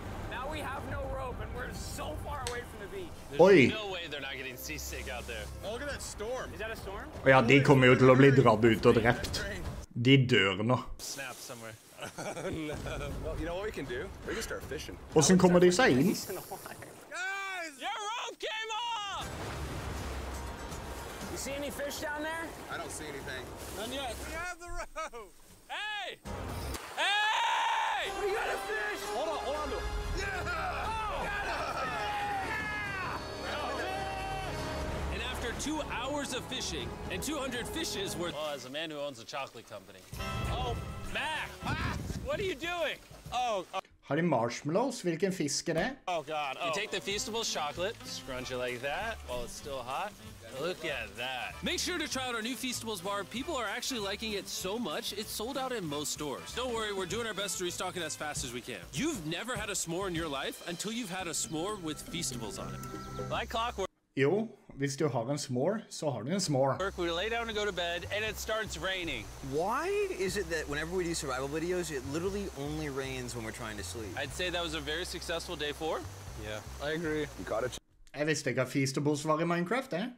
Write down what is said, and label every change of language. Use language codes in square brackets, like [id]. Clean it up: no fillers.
[en] Now we have no rope and we're so far away from the beach. There's no way they're not getting seasick out there. Oh, look at that storm. Is that a storm? [no] Oh, ja, de kommer jo til å bli dratt ut og drept. De dør nå. [en] Snap somewhere. No. Well, you know what we can do? We can start fishing. [no] Hvordan kommer de seg inn? [en] Guys! Your rope came off! You see any fish down there? I don't see anything. None yet. We have the rope! Hey! Hey! We got a fish! Hold on, hold on. Two hours of fishing and 200 fishes worth. Well, as a man who owns a chocolate company. Oh, Mac! Ah! What are you doing? Oh, [no] Har de marshmallows? Hvilken fisk det? [en] Oh god. Oh. You take the feastable chocolate, scrunch it like that while it's still hot. Look at that. Make sure to try out our new Feastables bar. People are actually liking it so much, it's sold out in most stores. Don't worry, we're doing our best to restock it as fast as we can. You've never had a s'more in your life until you've had a s'more with Feastables on it. Like clockwork. [no] Jo. Hvis du har en s'more, så har du en s'more. [en] We lay down and go to bed, and it starts raining. Why is it that whenever we do survival videos, it literally only rains when we're trying to sleep? I'd say that was a very successful day four. Yeah, I agree. You got it. [no] Jeg visste ikke at Feastables var i Minecraft, eh?